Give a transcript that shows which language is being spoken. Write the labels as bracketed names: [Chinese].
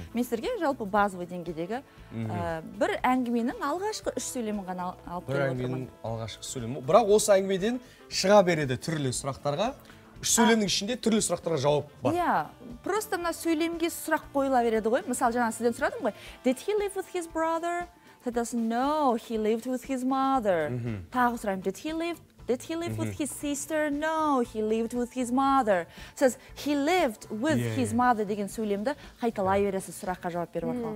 [Kazakh] Мен сіздерге жалпы базовый деңгейдегі бір әңгіменің алғашқы үш сөйлемін ғана алып келіп отырмын. Бір әңгіменің алғашқы сөйлемі. Бірақ осы әңгімеден шыға береді түрлі сұрақтарға. Үш сөйлемнің ішінде түрлі сұрақтарға жауап бар. Иә, просто мына сөйлемге сұрақ қойыла береді ғой. Мысалы, жаңа сізден сұрадым ғой. [English] Did he live with his brother? He doesn't know. He lived with his mother. [Kazakh] Тағы сұраймын. [English] Did he live with his sister? No, he lived with his mother. Says he lived with his mother [Kazakh] деген сөйлемді қайталай бересіз сұраққа жауап беру арқылы.